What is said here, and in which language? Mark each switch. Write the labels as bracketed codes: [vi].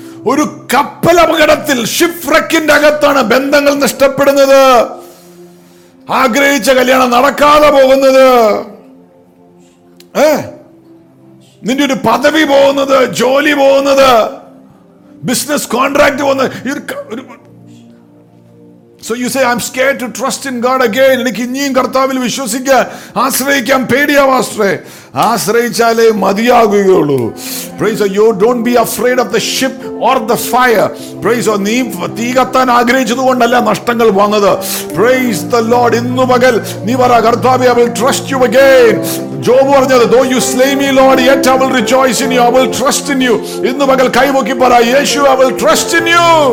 [ml] ഒരു കപ്പൽ അപകടത്തിൽ ഷിപ്രക്കിന്റെ അകത്താണ് ബന്ധങ്ങൾ നഷ്ടപ്പെടുന്നത്, ആഗ്രഹിച്ച കല്യാണം നടക്കാതെ പോകുന്നത്, നിന്റെ ഒരു പദവി പോകുന്നത്, ജോലി പോകുന്നത്, ബിസിനസ് കോൺട്രാക്ട് പോകുന്നത്. [en] So you say, I'm scared to trust in God again. [ml] എനിക്ക് ഇനിയും കർത്താവിൽ വിശ്വസിക്കാൻ ആശ്രയിക്കാൻ പേടിയാവാശ്രേ. ആശ്രയിച്ചാലേ മതിയാകുകയുള്ളൂ. [en] Praise the Lord. Don't be afraid of the ship or the fire. Praise the Lord. [ml] തീ കത്താൻ ആഗ്രഹിച്ചതുകൊണ്ടല്ല നഷ്ടങ്ങൾ വന്നത്. [en] Praise the Lord. [ml] ഇന്നു പകൽ നീ പറ കർത്താവ്, [en] I will trust you again. [ml] Job പറഞ്ഞത്, [en] Though you slay me, Lord, yet I will rejoice in you. I will trust in you. [ml] ഇന്നു പകൽ കൈമുക്കി പറ, യേശു, [en] I will trust in you.